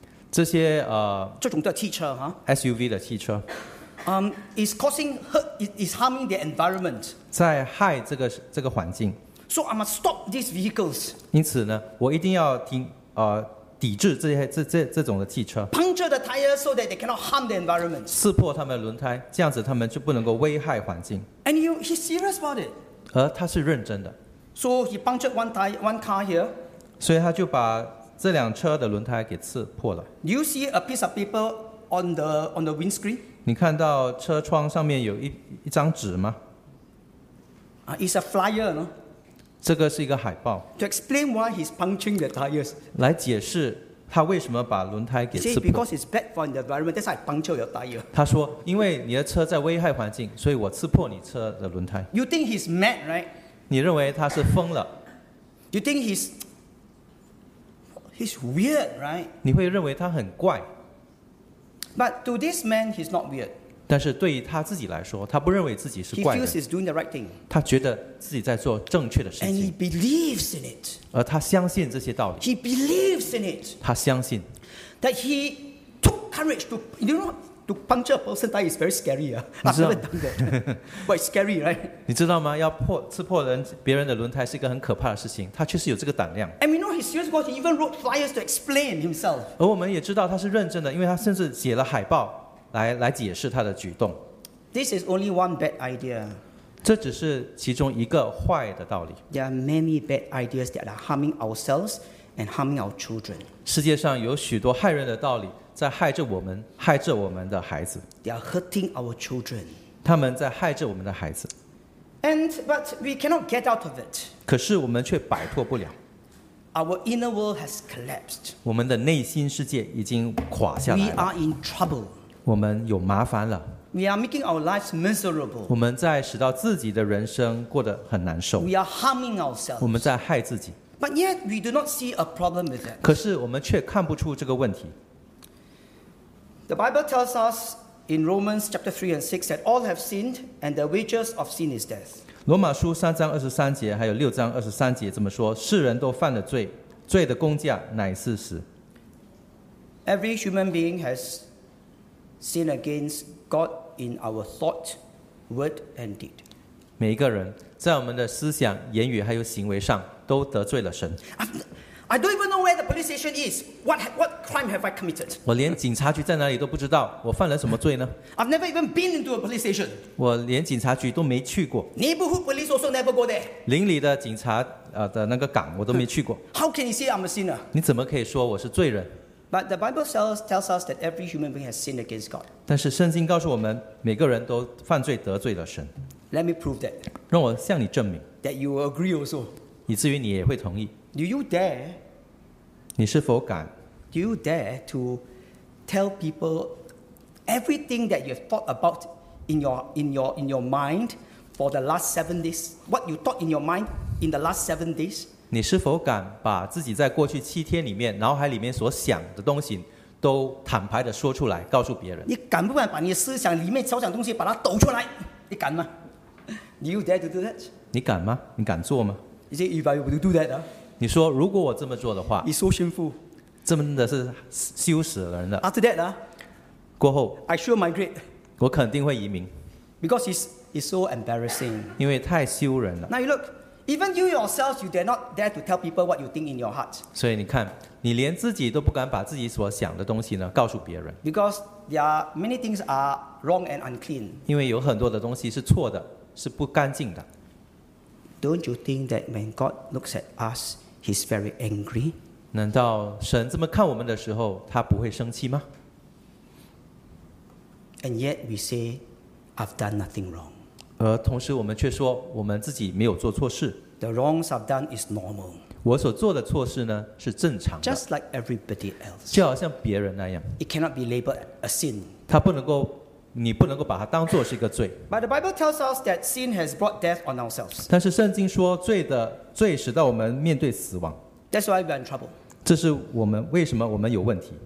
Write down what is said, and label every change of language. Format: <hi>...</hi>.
<zh>这些这种的汽车哈，SUV 的汽车。</zh> <en>Is causing hurt, is harming the environment.</en> <zh>在害这个环境。</zh> <en>So I must stop these vehicles.</en> <zh>因此呢，我一定要抵制这种的汽车。</zh> <en>Puncture the tires so that they cannot harm the environment.</en> <zh>刺破他们的轮胎，这样子他们就不能够危害环境。</zh> <en>And he's serious about it.</en> <zh>而他是认真的。</zh> <en>So he punctured one car here.</en> <zh>所以他就把这辆车的轮胎给刺破了。</zh> <en>Do you see a piece of paper on the windscreen?</en> <zh>你看到车窗上面有一张纸吗</zh> <en>？It's a flyer, no?</en> <zh>这个是一个海报。</zh> <en>To explain why he's puncturing the tires.</en> <zh>来解释他为什么把轮胎给刺破。</zh> <en>He said because it's bad for the environment, that's why I puncture your tire.</en> <zh>他说，因为你的车在危害环境，所以我刺破你车的轮胎。</zh> <en>You think he's mad, right?</en> <zh>你认为他是疯了</zh> <en>？You think he's weird, right?</en> <zh>你会认为他很怪。</zh> <en>But to this man, he's not weird.</en> <zh>但是对于他自己来说，他不认为自己是怪人。</zh> <en>He feels he's doing the right thing.</en> <zh>他觉得自己在做正确的事情。</zh> <en>And he believes in it.</en> <zh>而他相信这些道理。</zh> <en>He believes in it.</en> <zh>他相信。</zh> <en>That he took courage to, you know, to puncture a person's tire is very scary. I've never done that. But it's scary, right?</en> <zh>你知道吗？要刺破别人的轮胎是一个很可怕的事情。他确实有这个胆量。</zh> <en>And we know he's serious because he even wrote flyers to explain himself.</en> <zh>而我们也知道他是认真的，因为他甚至写了海报来解释他的举动。</zh> <en>This is only one bad idea.</en> <zh>这只是其中一个坏的道理。</zh> <en>There are many bad ideas that are harming ourselves and harming our children.</en> <zh>世界上有许多害人的道理。在害着我们，害着我们的孩子。</zh> <en>They are hurting our children.</en> <zh>他们在害着我们的孩子。</zh> <en>And but we cannot get out of it.</en> <zh>可是我们却摆脱不了。</zh> <en>Our inner world has collapsed.</en> <zh>我们的内心世界已经垮下来了。</zh> <en>We are in trouble.</en> <zh>我们有麻烦了。</zh> <en>We are making our lives miserable.</en> <zh>我们在使到自己的人生过得很难受。</zh> <en>We are harming ourselves.</en> <zh>我们在害自己。</zh> <en>But yet we do not see a problem with that.</en> <zh>可是我们却看不出这个问题。</zh> <en>The Bible tells us in Romans chapter 3 and 6 that all have sinned and the wages of sin is death.</en> <zh>罗马书三章二十三节还有六章二十三节这么说，世人都犯了罪，罪的工价乃是死。</zh> <en>Every human being has sinned against God in our thought, word, and deed.</en> <zh>每一个人在我们的思想、言语还有行为上都得罪了神。</zh> <en>I don't even know where the police station is. What crime have I committed?</en> <zh>我连警察局在哪里都不知道，我犯了什么罪呢</zh> <en>？I've never even been into a police station.</en> <zh>我连警察局都没去过。</zh> <en>Neighborhood police also never go there.</en> <zh>邻里的警察的那个岗我都没去过。</zh> <en>How can you say I'm a sinner?</en> <zh>你怎么可以说我是罪人？</zh> <en>But the Bible tells us that every human being has sinned against God.</en> <zh>但是圣经告诉我们，每个人都犯罪得罪了神。</zh> <en>Let me prove that.</en> <zh>让我向你证明。</zh> <en>That you will agree also.</en> <zh>以至于你也会同意。</zh> <en>Do you dare?</en> <zh>你是否敢</zh> <en>？Do you dare to tell people everything that you've thought about in your mind for the last 7 days? What you thought in your mind in the last 7 days?</en> <zh>你是否敢把自己在过去七天里面脑海里面所想的东西都坦白的说出来，告诉别人？你敢不敢把你思想里面所想的东西把它抖出来？你敢吗</zh> <en>？Do you dare to do that?</en> <zh>你敢吗？你敢做吗</zh> <en>？Is it if I were to do that?、</en> <zh>你说如果我这么做的话，你说心腹，真的是羞死人的。</zh> <en>After that</en> <zh>过后</zh> <en>，I sure migrate，</en> <zh>我肯定会移民</zh> <en>，because it's so embarrassing，</en> <zh>因为太羞人了。</zh> <en>Now you look， even you yourself， you dare not dare to tell people what you think in your heart。</en> <zh>所以你看，你连自己都不敢把自己所想的东西呢告诉别人</zh> <en>，because there are many things are wrong and unclean，</en> <zh>因为有很多的东西是错的，是不干净的。</zh> <en>Don't you think that when God looks at us, He's very angry?</en> <zh>难道神这么看我们的时候，他不会生气吗</zh> <en>？And yet we say, I've done nothing wrong.</en> <zh>而同时我们却说我们自己没有做错事。</zh> <en>The wrongs I've done is normal.</en> <zh>我所做的错事呢是正常的。</zh> <en>Just like everybody else.</en> <zh>就好像别人那样。</zh> <en>It cannot be labeled a sin.</en> <zh>他不能够。你不能够把它当作是一个罪。</zh> <en>But the Bible tells us that sin has brought death on ourselves.</en> <zh>但是圣经说罪使到我们面对死亡。</zh> <en>That's why we're in trouble.</en> <zh>这是我们为什么我们有问题。</zh>